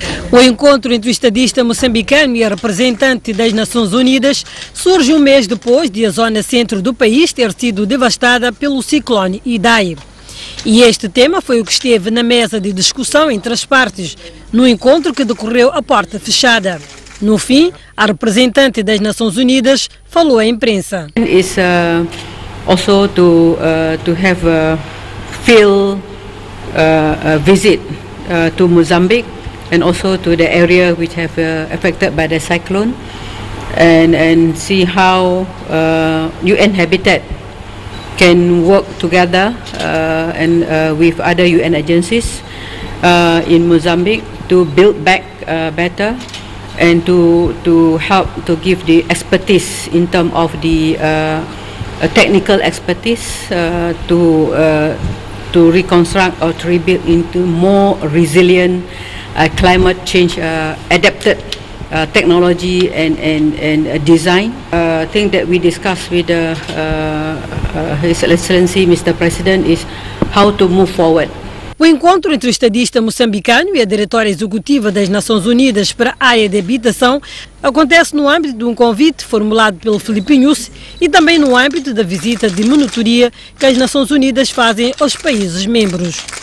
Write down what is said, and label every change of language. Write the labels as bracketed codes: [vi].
[pt] O encontro entre o estadista moçambicano e a representante das Nações Unidas surge um mês depois de a zona centro do país ter sido devastada pelo ciclone Idai. E este tema foi o que esteve na mesa de discussão entre as partes, no encontro que decorreu à porta fechada. No fim, a representante das Nações Unidas falou à imprensa. [en] It's also to have a field visit to Mozambique and also to the area which have affected by the cyclone and see how UN Habitat can work together with other UN agencies in Mozambique to build back better and to help to give the expertise in terms of the technical expertise to reconstruct or to rebuild into more resilient climate change adapted technology and design. I think that we discussed with His Excellency, Mr. President, is how to move forward. [pt] O encontro entre o estadista moçambicano e a diretora executiva das Nações Unidas para a área de habitação acontece no âmbito de um convite formulado pelo Felipe Nhus e também no âmbito da visita de monitoria que as Nações Unidas fazem aos países membros.